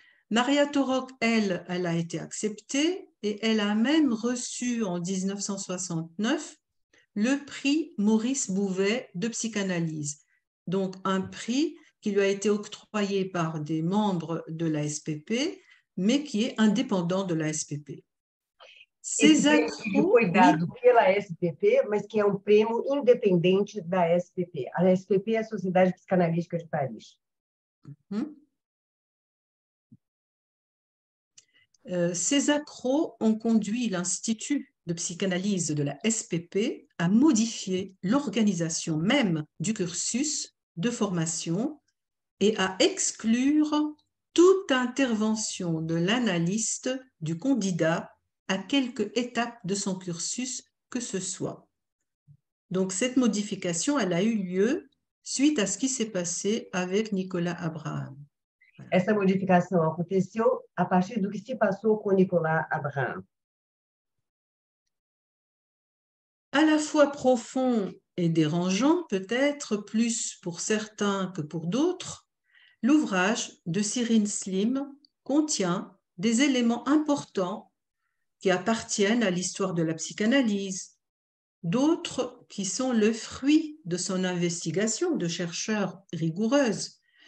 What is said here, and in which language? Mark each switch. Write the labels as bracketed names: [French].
[French] Maria Thoreau, elle a été acceptée et elle a même reçu en 1969 le prix Maurice Bouvet de psychanalyse. Donc, un prix qui lui a été octroyé par des membres de la SPP, mais qui est indépendant de la SPP. Ces accros, il est [Portuguese] cuidado pela SPP, mas que é um prêmio independente da SPP. A SPP é a Sociedade Psicanalítica de Paris. [French] Ces accros ont conduit l'Institut de psychanalyse de la SPP à modifier l'organisation même du cursus de formation et à exclure toute intervention de l'analyste du candidat à quelque étape de son cursus que ce soit. Donc, cette modification, elle a eu lieu suite à ce qui s'est passé avec Nicolas Abraham. Voilà. [Portuguese] Essa modificação aconteceu a partir do que se passou com Nicolas Abraham. [French] À la fois profond et dérangeant, peut-être plus pour certains que pour d'autres, l'ouvrage de Cyrine Slim contient des éléments importants qui appartiennent à l'histoire de la psychanalyse, d'autres qui sont le fruit de son investigation de chercheur rigoureuse.